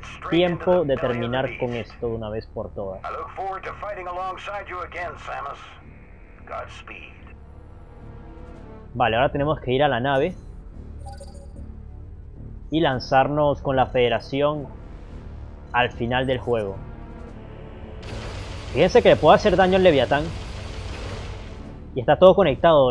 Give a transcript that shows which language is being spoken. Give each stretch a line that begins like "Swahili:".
Spanish: Tiempo de terminar con esto de una vez por todas.
English: I look forward to fighting alongside you again, Samus. Godspeed.
Spanish: Vale, ahora tenemos que ir a la nave y lanzarnos con la Federación al final del juego. Fíjense que le puedo hacer daño al Leviatán. Y está todo conectado.